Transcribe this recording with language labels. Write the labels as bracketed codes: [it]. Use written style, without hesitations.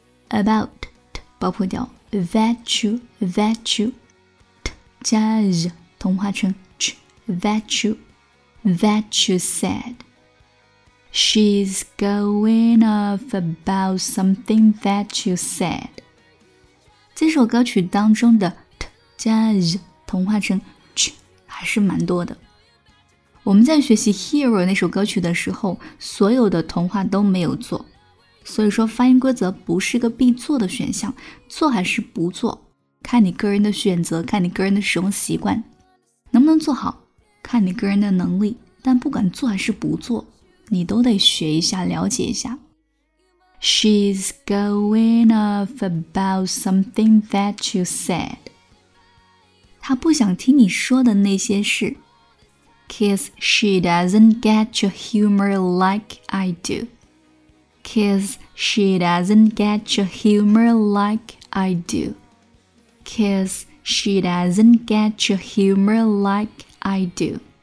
[en] About [zh] 爆破掉 [en] That you That you T [zh] 加 Z 同化成 [en] Ch That you That you saidShe's going off about something that you said. [zh] 这首歌曲当中的 t 加 z 同化成 ch 还是蛮多的。我们在学习 Hero 那首歌曲的时候，所有的同化都没有做，所以说发音规则不是个必做的选项，做还是不做，看你个人的选择，看你个人的使用习惯，能不能做好，看你个人的能力，但不管做还是不做。你都得学一下，了解一下。 [en] She's going off about something that you said. [zh] 她不想听你说的那些事。 [en] Cause she doesn't get your humor like I do. Cause she doesn't get your humor like I do. Cause she doesn't get your humor like I do.